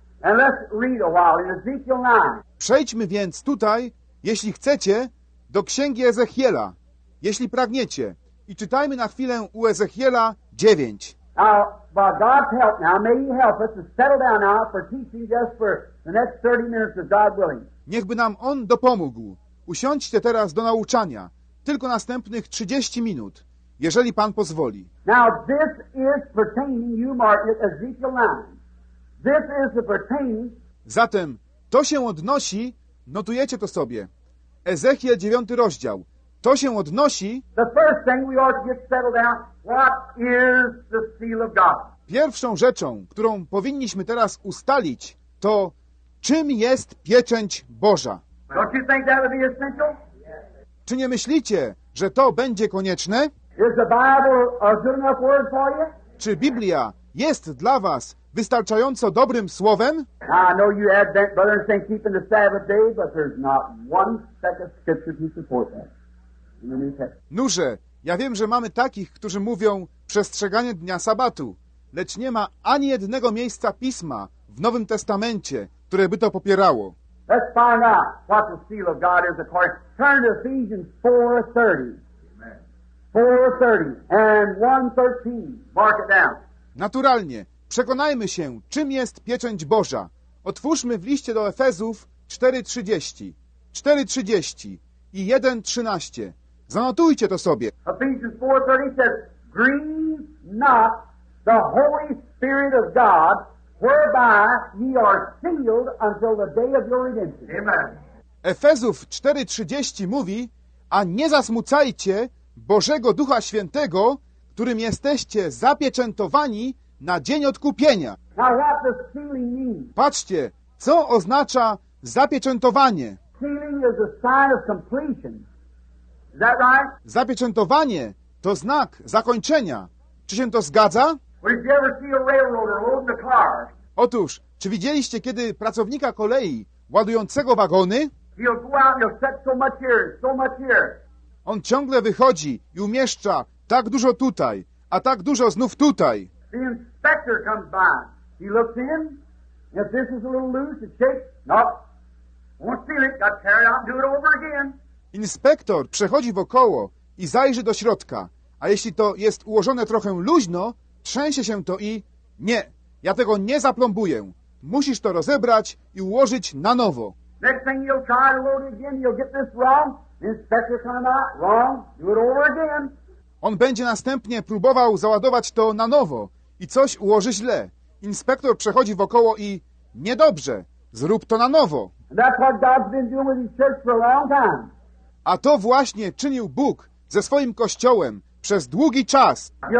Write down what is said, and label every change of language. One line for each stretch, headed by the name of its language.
English: And let's read a while in Ezekiel 9.
Polish: Przejdźmy więc tutaj, jeśli chcecie, do Księgi Ezechiela, jeśli pragniecie. I czytajmy na chwilę u Ezechiela 9.
English: Now, by God's help now, may He help us to settle down now for teaching just for the next 30 minutes of God willing.
Polish: Niechby nam On dopomógł. Usiądźcie teraz do nauczania, tylko następnych 30 minut, jeżeli Pan pozwoli.
English: Now this is pertaining, you mark it, Ezekiel 9. This is the pertaining.
Polish: Zatem to się odnosi, notujecie to sobie, Ezechiel 9 rozdział, to się odnosi...
English: The first thing we ought to get settled down, what is the seal of God?
Polish: Pierwszą rzeczą, którą powinniśmy teraz ustalić, to czym jest pieczęć Boża?
English: Don't you think that would be essential?
Polish: Czy nie myślicie, że to będzie konieczne?
English: Is the Bible a good enough word for you?
Polish: Czy Biblia jest dla was wystarczająco dobrym słowem?
English: I know you had that brother saying keeping the Sabbath day, but there's not one second scripture to support that.
Polish: Nurze, ja wiem, że mamy takich, którzy mówią przestrzeganie dnia sabatu, lecz nie ma ani jednego miejsca pisma w Nowym Testamencie, które by to popierało.
English: Let's find out what the seal of God is, of course. Turn to Ephesians 4:30. Amen. 4:30 and 1:13. Mark it down.
Polish: Naturalnie, przekonajmy się, czym jest pieczęć Boża. Otwórzmy w liście do Efezów 4:30. 4:30 i 1:13. Zanotujcie to sobie.
English: Ephesians 4:30 says, grieve not the Holy Spirit of God, whereby ye are sealed until the day of your redemption. Amen.
Polish: Efezów 4:30 mówi, a nie zasmucajcie Bożego Ducha Świętego, którym jesteście zapieczętowani na dzień odkupienia.
English: Now what does sealing mean?
Polish: Patrzcie, co oznacza zapieczętowanie?
English: Sealing is a sign of completion. Is that right?
Polish: Zapieczętowanie to znak zakończenia. Czy się to zgadza?
English: Or did you ever see a railroader loading a car?
Polish: Otóż, czy widzieliście kiedy pracownika kolei ładującego wagony?
English: He'll go out and he'll set so much here, so much here.
Polish: On ciągle wychodzi i umieszcza tak dużo tutaj, a tak dużo znów tutaj.
English: The inspector comes by. He looks in. If this is a little loose, it shakes. Nope. Won't feel it. Got to carry out and do it over again.
Polish: Inspektor przechodzi wokoło i zajrzy do środka. A jeśli to jest ułożone trochę luźno, trzęsie się to i... Nie, ja tego nie zaplombuję. Musisz to rozebrać i ułożyć na nowo.
English: Next thing you'll try to load it again, you'll get this wrong. Inspector coming out, wrong, do it over again.
Polish: On będzie następnie próbował załadować to na nowo i coś ułoży źle. Inspektor przechodzi wokoło i... Niedobrze, zrób to na nowo.
English: And that's what God's been doing with his church for a long time.
Polish: A to właśnie czynił Bóg ze swoim Kościołem przez długi czas.